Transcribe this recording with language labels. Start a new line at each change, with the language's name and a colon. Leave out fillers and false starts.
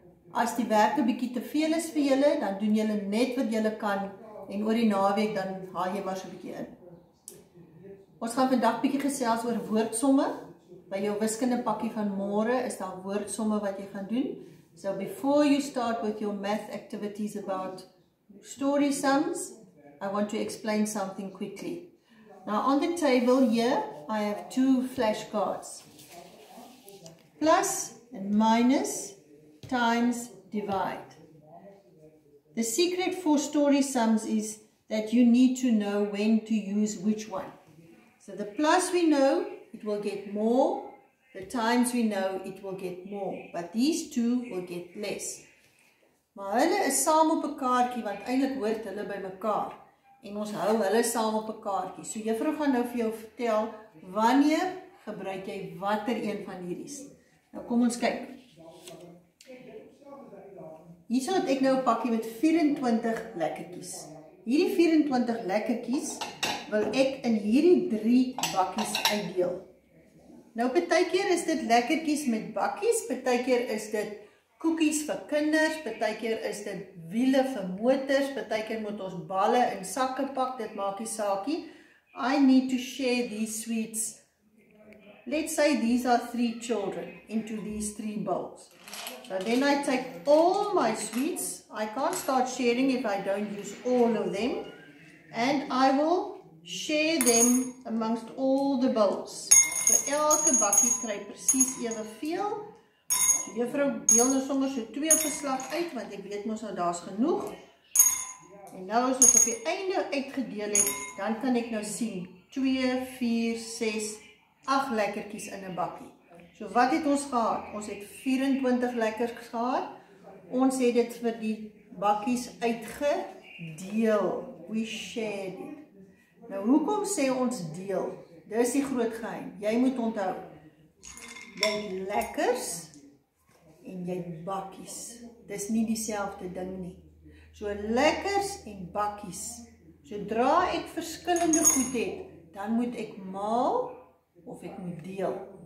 Afrikaans: As die werk 'n bietjie te veel is vir julle, dan doen julle net wat julle kan en oor die naweek dan haal jy maar so 'n bietjie in. Ons gaan vandag bietjie gesels oor woordsomme. By jou wiskunde pakkie van môre is daar woordsomme wat jy gaan doen.
English: So before you start with your math activities about story sums, I want to explain something quickly. Now on the table here, I have two flashcards. Plus and minus times divide. The secret for story sums is that you need to know when to use which one. So the plus we know, it will get more. The times we know, it will get more. But these two will get less.
Afrikaans: Maar hulle is saam op 'n kaartjie, want eintlik hoort hulle by mekaar. En ons hou hulle saam op 'n kaartjie. So juffrou gaan nou vir jou vertel wanneer gebruik jy watter een van hierdie. Nou kom ons kyk. Hierso het ek nou 'n pakkie met 24 lekkertjies. Hierdie 24 lekkertjies wil ek in hierdie 3 bakkies uitdeel. Nou partykeer is dit lekkertjies met bakkies, partykeer is dit koekies vir kinders, partykeer is dit wiele vir motors, partykeer moet ons balle in sakke pak, dit maak nie saak nie.
English: I need to share these sweets. Let's say these are 3 children into these 3 bowls. So then I take all my sweets. I can't start sharing if I don't use all of them. And I will share them amongst all the bowls.
Afrikaans: So elke bakkie kry presies eweveel. Juffrou deel nou sommer so 2 verslag uit, want ek weet mos nou daar's genoeg. En nou as ons op die einde uitgedeel het, dan kan ek nou sien 2, 4, 6, 8 lekkertjies in 'n bakkie. So wat het ons gehad? Ons het 24 lekkers gehad. Ons het dit vir die bakkies uitgedeel.
English: We shared it.
Afrikaans: Nou hoekom sê ons deel? Dis die groot geheim. Jy moet onthou, jy het lekkers en jy bakkies. Dis nie dieselfde ding nie. So lekkers en bakkies. Sodra ek verskillende goed het, dan moet ek maal of ek moet deel.